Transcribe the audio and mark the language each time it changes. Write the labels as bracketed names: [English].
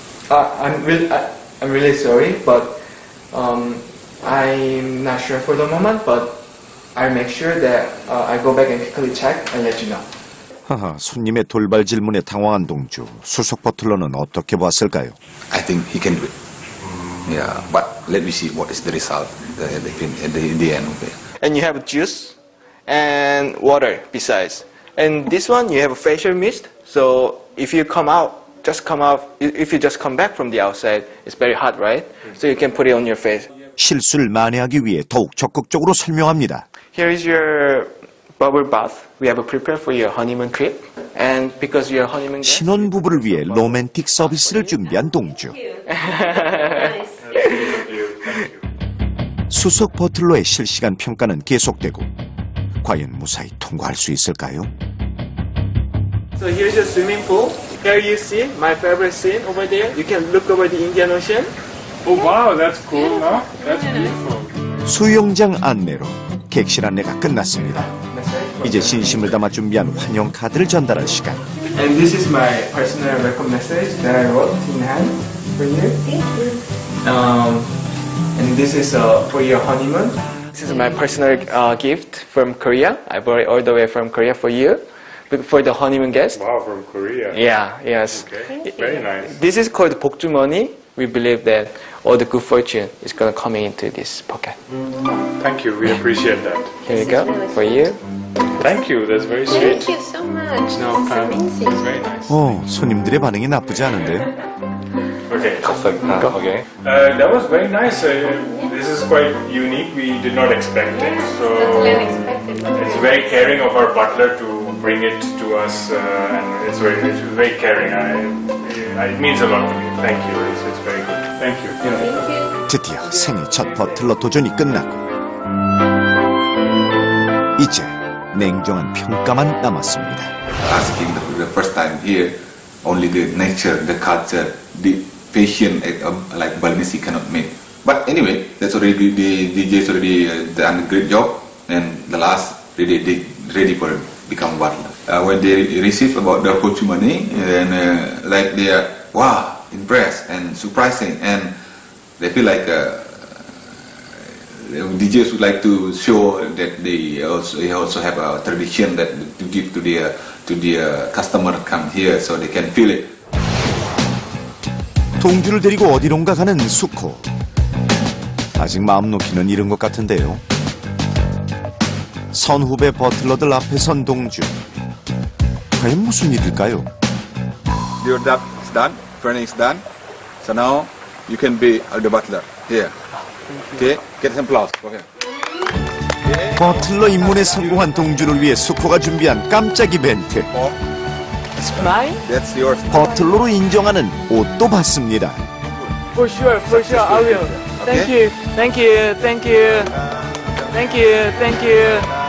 [English] I'm really sorry, but I'm not sure for the moment, but I'll make sure that I go back and quickly check and let you know. [Korean] 하하, 손님의 돌발 질문에 당황한 동주. 수석 버틀러는 어떻게 봤을까요? [English] I think he can do it. Yeah, but let me see what is the result in the end of it. And you have juice and water besides. And this one, you have a facial mist. So if you come out, just come out, if you just come back from the outside, it's very hot, right? So you can put it on your face. [Korean] 실수를 만회하기 위해 더욱 적극적으로 설명합니다. [English] Here is your bubble bath. We have prepared for your honeymoon trip. And because you're honeymoon guest, [Korean] 신혼부부를 위해 로맨틱 서비스를 준비한 동주. 수석 버틀러의 실시간 평가는 계속되고, 과연 무사히 통과할 수 있을까요? [English] So here's your swimming pool. Here you see my favorite scene over there. You can look over the Indian Ocean. Oh wow, that's cool, huh? No? That's beautiful. [Korean] 수영장 안내로 객실 안내가 끝났습니다. 이제 진심을 담아 준비한 환영 카드를 전달할 시간. [English] And this is my personal welcome message that I wrote in hand for you. Thank you. And this is for your honeymoon. This is my personal gift from Korea. I brought it all the way from Korea for you. For the honeymoon guest. Wow, from Korea. Yeah, yes. Okay. Very nice. This is called 복주머니. We believe that all the good fortune is going to come into this pocket. Thank you. We appreciate that. Here you go. For you. Thank you. That's very sweet. Thank you so much. No problem. It's very nice. [Korean] Oh, 손님들의 반응이 나쁘지 않은데요. [English] Okay. That was very nice. This is quite unique. We did not expect it. So it's very caring of our butler to bring it to us. And it's very caring. It means a lot to me. Thank you. It's very good. Thank you. Thank you. [Korean] 드디어 생애 첫 버틀러 도전이 끝났고, 이제 냉정한 평가만 남았습니다. [English] Asking the first time here, only the nature, the culture, the fashion like Balinese cannot make. But anyway, that's already the DJ's already done a great job, and the last ready for become butler. When they receive about the pochumani, and like they are wow, impressed and surprising, and they feel like DJs would like to show that they also have a tradition that to give to their customer come here so they can feel it. [Korean] 동주를 데리고 어디론가 가는 수코. 아직 마음 놓기는 이른 것 같은데요. 선후배 버틀러들 앞에 선 동주. 과연 무슨 일일까요? [English] Your job is done. Training is done. So now you can be the butler here. Okay. Get some applause. Okay. [Korean] 버틀러 입문에 성공한 동준을 위해 수코가 준비한 깜짝 이벤트. [English] It's mine. That's yours. [Korean] 버틀러로 인정하는 옷도 받습니다. [English] For sure, I will. Thank you, thank you, thank you, thank you, thank you.